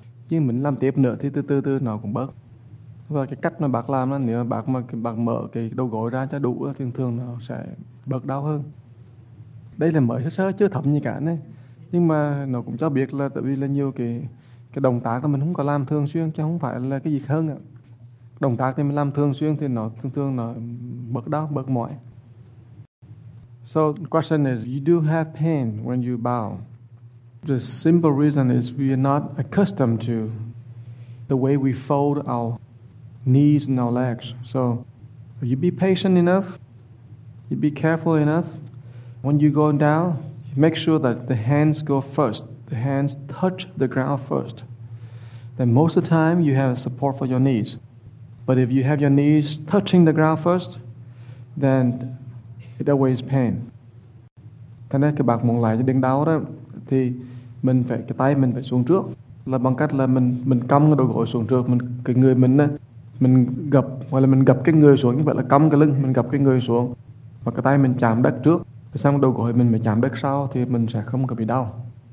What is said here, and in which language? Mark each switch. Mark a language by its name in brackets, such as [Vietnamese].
[Vietnamese] Nhưng mình làm tiếp nữa thì từ từ nó cũng bớt. Và cái cách mà bác làm là nếu bác mở cái đầu gối ra cho đủ thì thường nó sẽ bớt đau hơn. Đây là mới sơ sơ chưa thấm gì cả này. Nhưng mà nó cũng cho biết là tại vì là nhiều cái động tác mình không có làm thường xuyên chứ không phải là cái gì hơn ạ. Động tác thì mình làm thường xuyên thì nó thường thường nó bớt đau, bớt mỏi. [English] So the question is, you do have pain when you bow. The simple reason is we are not accustomed to the way we fold our knees and our legs. So you be patient enough, you be careful enough. When you go down, you make sure that the hands go first. The hands touch the ground first. Then most of the time you have support for your knees. But if you have your knees touching the ground first, then it always pain. [Vietnamese] Thế nên các bạn muốn lại cho đỉnh đau đó thì mình phải cái tay mình phải xuống trước là bằng cách là mình cắm cái đầu gối xuống trước, mình cái người mình á mình gập hoặc là mình gập cái người xuống, như vậy là cắm cái lưng mình gập cái người xuống và cái tay mình chạm đất trước, xong đầu gối mình mới chạm đất sau thì mình sẽ không có bị đau.